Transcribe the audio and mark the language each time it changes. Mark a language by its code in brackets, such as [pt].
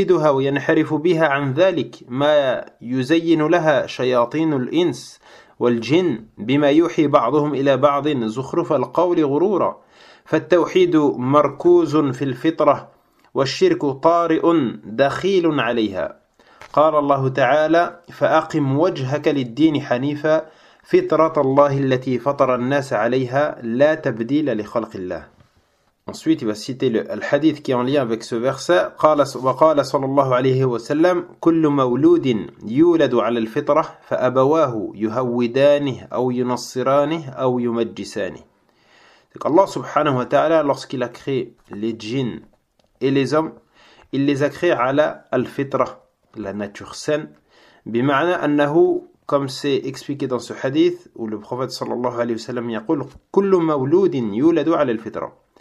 [ar] وَيَنْحَرِفُ بِهَا عَنْ ذَلِكَ مَا يُزَيِّنُ لَهَا شَيَاطِينُ الْإِنْسِ والجن بما يوحي بعضهم إلى بعض زخرف القول غرورا فالتوحيد مركوز في الفطرة والشرك طارئ دخيل عليها قال الله تعالى فأقم وجهك للدين حنيفا فطرة الله التي فطر الناس عليها لا تبديل لخلق الله. [fr] Ensuite, il va citer le hadith qui est en lien avec ce verset. [ar] وقال صلى الله عليه وسلم كل مولود يولد على الفطرة فأبواه يهودانه أو ينصرانه أو يمجسانه. [fr] Donc Allah subhanahu wa ta'ala, lorsqu'il a créé les djinns et les hommes, il les a créés [ar] على الفطرة, [fr] la nature saine, [ar] بمعنى أنه, [fr] comme c'est expliqué dans ce hadith, où le prophète [ar] صلى الله عليه وسلم يقول كل مولود يولد على الفطرة.